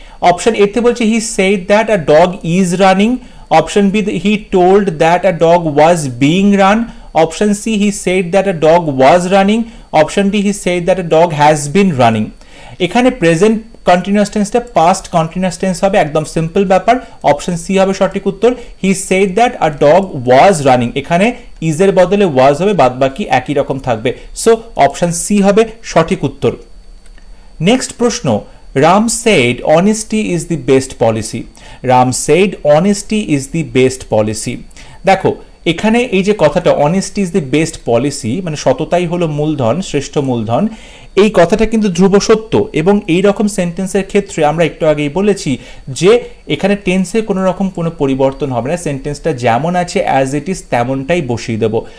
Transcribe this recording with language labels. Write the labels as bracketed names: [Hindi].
[English] option এতে বলছে he said that a dog is running option B he told that a dog was being run option C he said that a dog was running option D he said that a dog has been running [Bangla] এখানে present continuous টেন্সটা past continuous tense হবে একদম simple ব্যাপার option C হবে সঠিক উত্তর [English] he said that a dog was running [Bangla] এখানে is এর বদলে ওয়াজ হবে বাদবাকি একই রকম থাকবে সো অপশন সি হবে সঠিক উত্তর [English] Next প্রশ্ন, Ram said honesty is the best policy. Ram said honesty is the best policy. [Bangla] দেখো এখানে এই যে কথাটা [English] honesty is the best policy [Bangla] মানে সততাই হলো মূলধন, শ্রেষ্ঠ মূলধন, এই কথাটা কিন্তু ধ্রুব সত্য এবং এই রকম সেন্টেন্সের ক্ষেত্রে আমরা একটু আগেই বলেছি যে এখানে টেন্সে কোনো রকম কোনো পরিবর্তন হবে না, সেন্টেন্সটা যেমন আছে [English] as it is [Bangla] তেমনটাই বসিয়ে দেব।